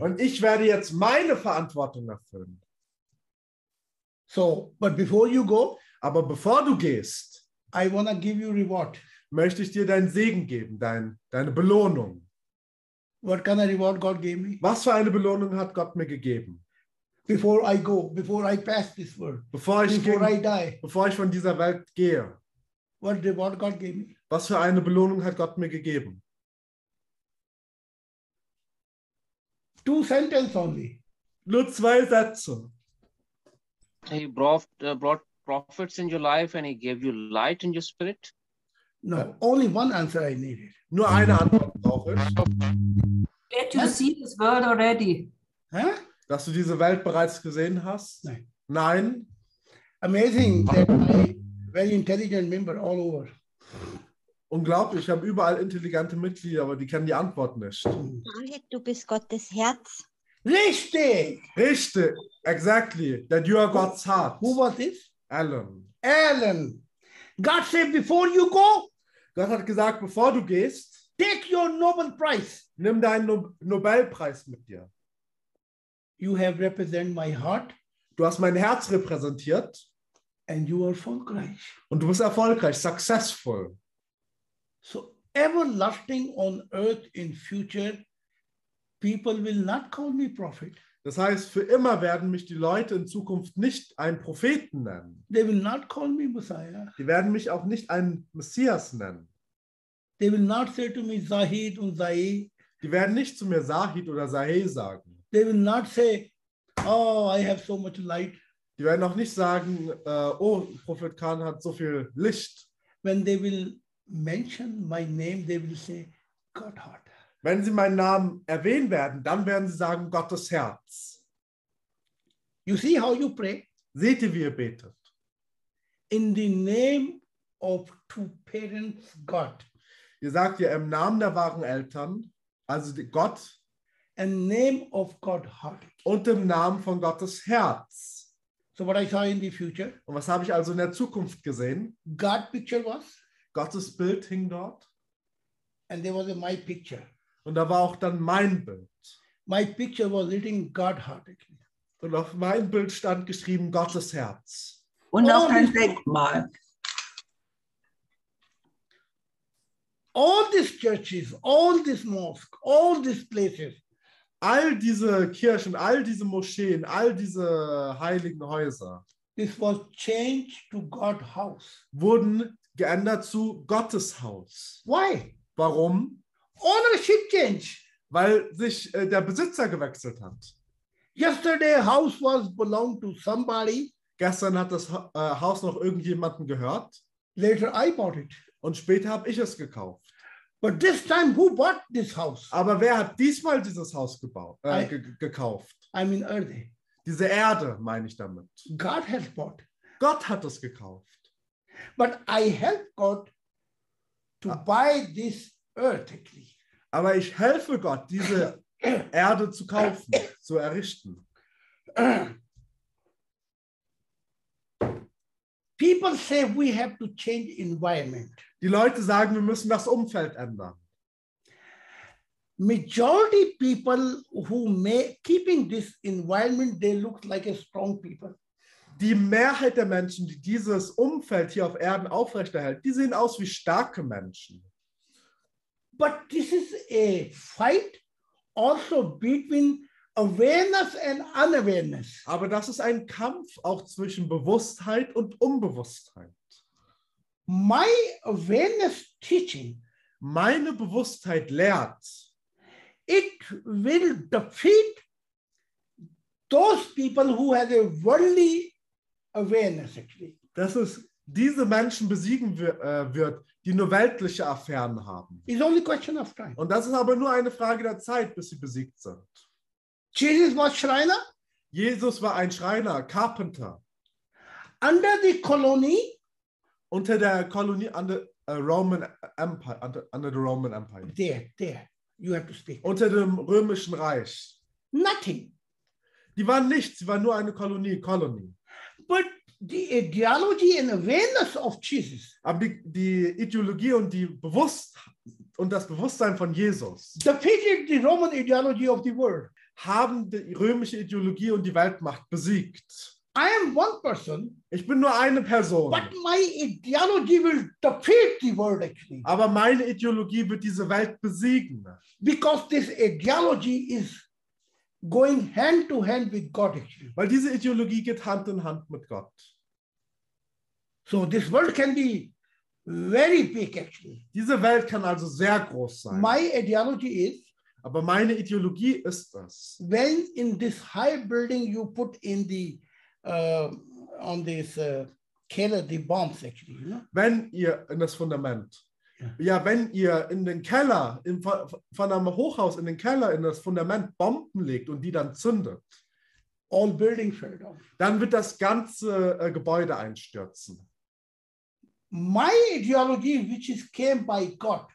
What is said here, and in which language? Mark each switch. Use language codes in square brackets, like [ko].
[de] Und ich werde jetzt meine Verantwortung erfüllen. [en] So, but before you go, [de] aber bevor du gehst, [en] I wanna give you reward. [de] Möchte ich dir deinen Segen geben, deine Belohnung. [en] What kind of reward God gave me? [de] Was für eine Belohnung hat Gott mir gegeben? [en] Before I go, before I pass this world, [de] bevor ich von dieser Welt gehe. [en] What reward God gave me? [de] Was für eine Belohnung hat Gott mir gegeben? [en] Two sentences only. [de] Nur zwei Sätze. [en] He brought prophets in your life and he gave you light in your spirit. No, only one answer I needed. [de] Nur eine Antwort brauche ich. [en] Get to see this world already. Huh? [de] Dass du diese Welt bereits gesehen hast? Nein. [en] Amazing that I'm a very intelligent member all over. [de] Unglaublich, ich habe überall intelligente Mitglieder, aber die kennen die Antwort nicht. Du bist Gottes Herz. Richtig, [en] exactly. That you are God's heart. Who was this? Alan. God said, before you go, [de] Gott hat gesagt, bevor du gehst, [en] take your Nobel Prize. [de] Nimm deinen Nobelpreis mit dir. [en] You have represented my heart. [de] Du hast mein Herz repräsentiert. [en] And you are erfolgreich. [de] Und du bist erfolgreich, successful. [en] So everlasting on earth in future, people will not call me prophet. [de] Das heißt, für immer werden mich die Leute in Zukunft nicht einen Propheten nennen. [en] They will not call me Messiah. [de] Die werden mich auch nicht einen Messias nennen. [en] They will not say to me Zahid und Zahi. [de] Die werden nicht zu mir Zahid oder Zahi sagen. [en] They will not say, oh, I have so much light. [de] Die werden auch nicht sagen, oh, Prophet Khan hat so viel Licht. [en] When they will mention my name, they will say, God heart. [de] Wenn sie meinen Namen erwähnen werden, dann werden sie sagen, Gottes Herz. [en] You see how you pray? [de] Seht ihr, wie ihr betet? [en] In the name of two parents, God. [de] Ihr sagt ja im Namen der wahren Eltern, also Gott. [en] And name of God heart. [de] Und im Namen von Gottes Herz. [en] So what I saw in the future. [de] Und was habe ich also in der Zukunft gesehen? [en] God picture was. [de] Gottes Bild hing dort. [en] And there was a my picture. [de] Und da war auch dann mein Bild. [en] My picture was written God heart. [de] Und auf mein Bild stand geschrieben Gottes Herz. Und auf dein Denkmal. [en] All these churches, all these mosques, all these places. [de] All diese Kirchen, all diese Moscheen, all diese heiligen Häuser. [en] This was changed to God house. [de] Wurden geändert zu Gottes Haus. [en] Why? [de] Warum? [en] Ownership change. [de] Weil sich der Besitzer gewechselt hat. [en] Yesterday house was belonged to somebody. [de] Gestern hat das Haus noch irgendjemanden gehört. [en] Later I bought it. [de] Und später habe ich es gekauft. [en] But this time who bought this house? [de] Aber wer hat diesmal dieses Haus gekauft? [en] I mean Erde. [de] Diese Erde meine ich damit. [en] God has bought. [de] Gott hat es gekauft. [en] But I help God to buy this. [de] Aber ich helfe Gott, diese Erde zu kaufen, zu errichten. [en] People say we have to change environment. [de] Die Leute sagen, wir müssen das Umfeld ändern. [en] Majority people who may keeping this environment, they look like a strong people. [de] Die Mehrheit der Menschen, die dieses Umfeld hier auf Erden aufrechterhält, die sehen aus wie starke Menschen. [en] But this is a fight also between awareness and unawareness. [de] Aber das ist ein Kampf auch zwischen Bewusstheit und Unbewusstheit. [en] My awareness teaching, [de] meine Bewusstheit lehrt, [en] it will defeat those people who have a worldly awareness actually. [de] Das ist diese Menschen besiegen wird, die nur weltliche Affären haben. [en] It's only a question of time. [de] Und das ist aber nur eine Frage der Zeit, bis sie besiegt sind. Jesus war Schreiner. Jesus war ein Schreiner, Carpenter. [en] Under the colony. [de] Unter der Kolonie, [en] under the Roman Empire. There. You have to speak. [de] Unter dem Römischen Reich. [en] Nothing. [de] Die waren nichts, sie waren nur eine Kolonie, Colony. [en] But the ideology and awareness of Jesus. [de] Aber die Ideologie und die Bewusstsein von Jesus. [en] Defeated the Roman ideology of the world. [de] Haben die römische Ideologie und die Weltmacht besiegt. [en] I am one person. [de] Ich bin nur eine Person. [en] But my ideology will defeat the world actually. [de] Aber meine Ideologie wird diese Welt besiegen. [en] Because this ideology is going hand to hand with God. [de] Weil diese Ideologie geht Hand in Hand mit Gott. [en] So this world can be very big actually. [de] Diese Welt kann also sehr groß sein. [en] My ideology is. [de] Aber meine Ideologie ist das. [en] When in this high building you put in the on this Keller the bombs actually. You know? [de] Wenn ihr in das Fundament. Ja, wenn ihr in den Keller, von einem Hochhaus in den Keller, in das Fundament Bomben legt und die dann zündet, [en] all building fell down. [de] Dann wird das ganze Gebäude einstürzen. [en] My ideology, which is came by God.